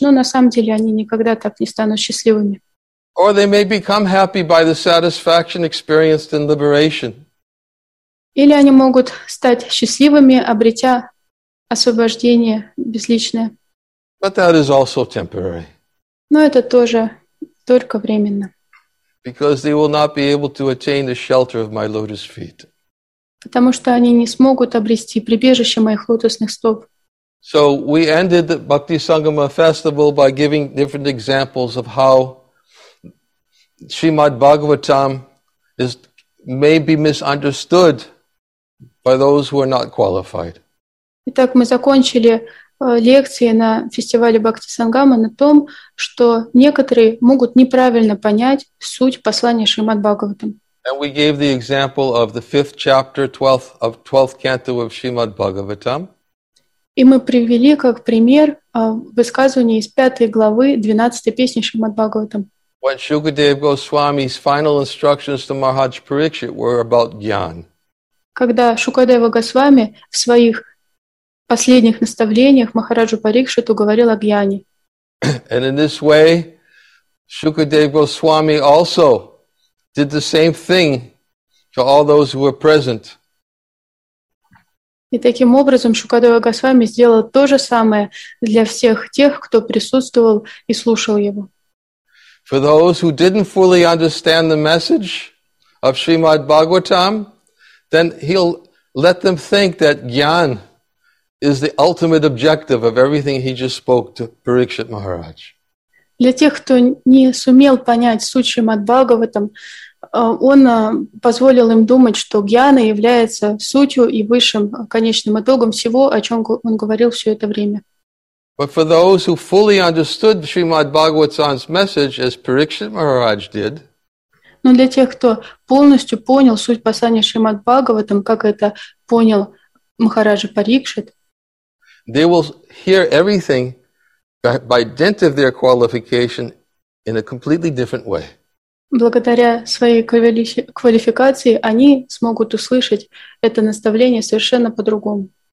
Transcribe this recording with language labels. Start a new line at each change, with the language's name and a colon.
Russian: Но на самом деле они никогда так не станут счастливыми.
English: Or they may become happy by the satisfaction experienced in liberation.
Russian: Или они могут стать счастливыми, обретя освобождение безличное.
English: But that is also temporary.
Russian: Но это тоже только временно.
English: Because they will not be able to attain the shelter of my lotus feet.
Russian: Потому что они не смогут обрести прибежище моих лотосных стоп.
English: So we ended the Bhakti Sangama festival by giving different examples of how Srimad Bhagavatam may be misunderstood by those who are not qualified.
Russian: Итак, мы закончили лекции на фестивале Бхакти Сангама на том, что некоторые могут неправильно понять суть послания Шримад Бхагаватам.
English: And we gave the example of the fifth chapter, 12th of 12th canto of Shrimad Bhagavatam.
Russian: И мы привели как пример высказывание из пятой главы 12-й песни Шримад Бхагаватам.
English: When Shukadev Goswami's final instructions to Maharaj Parikshit were about gyan.
Russian: Когда Шукадева Госвами в своих последних наставлениях Махараджу Парикшиту говорил о гьяне.
English: And in this way, Shukadev Goswami also did the same thing to all those who were present.
Russian: И таким образом Шукадева Госвами сделал то же самое для всех тех, кто присутствовал и слушал его.
English: For those who didn't fully understand the message of Srimad Bhagavatam, then he'll let them think that jnana is the ultimate objective of everything he just spoke to Parikshit Maharaj.
Russian: Для тех, кто не сумел понять суть Шримад Бхагаватам, он позволил им думать, что гьяна является сутью и высшим конечным итогом всего, о чем он говорил все это время.
English: But for those who fully understood Srimad Bhagavatam's message, as Parikshit Maharaj did,
Russian: но для тех, кто полностью понял суть послания Шримад Бхагаватам, как это понял Махараджа Парикшит,
English: they will hear everything by dint of their qualification in a completely different way.
Russian: Благодаря своей квалификации они смогут услышать это наставление совершенно по-другому.